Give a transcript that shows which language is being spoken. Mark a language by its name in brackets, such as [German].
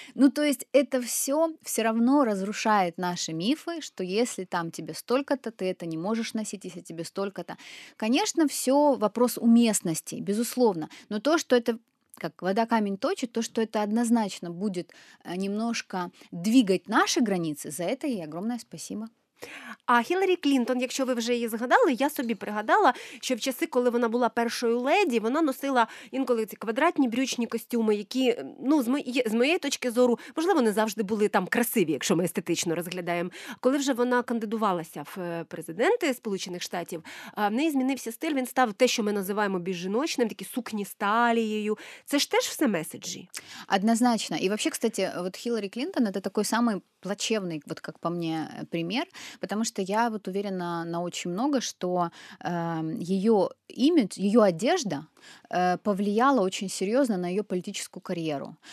[Russian] Ну, то есть это все равно разрушает наши мифы, что если там тебе столько-то, ты это не можешь носить, если тебе столько-то. Конечно, все вопрос уместности, безусловно, но то, что это как вода камень точит, то, что это однозначно будет немножко двигать наши границы, за это ей огромное спасибо. [Ukrainian] А Хіларі Клінтон, якщо ви вже її згадали, я собі пригадала, що в часи, коли вона була першою леді, вона носила інколи ці квадратні брючні костюми, які, ну, з моєї точки зору, можливо, не завжди були там красиві, якщо ми естетично розглядаємо. Коли вже вона кандидувалася в президенти Сполучених Штатів, в неї змінився стиль, він став те, що ми називаємо більш жіночним, такі сукні з талією. Це ж теж все меседжі. Однозначно. І взагалі, [Russian] кстати, от Хіларі Клінтон – [Ukrainian] це такий самий плачевний, [Russian] вот как по мне, пример, потому что я вот уверена на очень много, что ее имидж, ее одежда повлияла очень серьезно на ее политическую карьеру.